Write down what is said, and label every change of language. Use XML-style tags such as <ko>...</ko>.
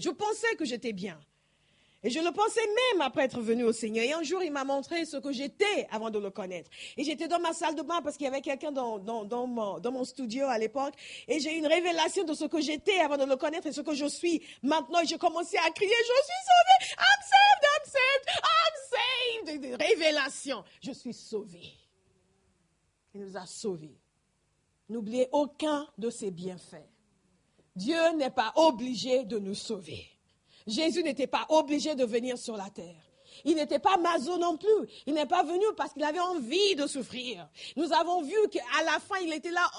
<fr>Je pensais que j'étais bien. Et je le pensais même après être venu au Seigneur. Et un jour, il m'a montré ce que j'étais avant de le connaître. Et j'étais dans ma salle de bain parce qu'il y avait quelqu'un dans mon studio à l'époque. Et j'ai eu une révélation de ce que j'étais avant de le connaître et ce que je suis maintenant. Et j'ai commencé à crier, je suis sauvée.</fr> <en>I'm saved, I'm saved, I'm saved.</en> <fr>Des révélations. Je suis sauvée. Il nous a sauvés. N'oubliez aucun de ses bienfaits. Dieu n'est pas obligé de nous sauver. Jésus n'était pas obligé de venir sur la terre. Il n'était pas maso non plus. Il n'est pas venu parce qu'il avait envie de souffrir. Nous avons vu qu'à la fin, il était là.</fr>